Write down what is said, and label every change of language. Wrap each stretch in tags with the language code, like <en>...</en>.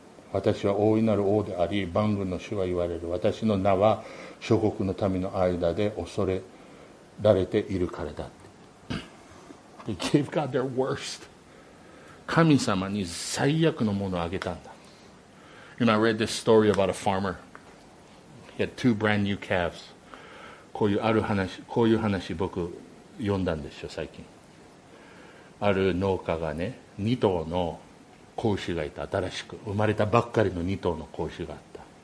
<ja>私は大いなる王であり、万軍の主は言われる。私の名は諸国の民の間で恐れられているからだって。</ja> <en>They gave God their worst.</en> <ja>神様に最悪のものをあげたんだ。</ja> <en>And I read this story about a farmer. He had two brand new calves.</en> <ja>こういう話僕読んだんですよ、最近。ある農家がね、2頭の 子牛がいた、新しく生まれたばっかりの2頭の子牛があった。</ja>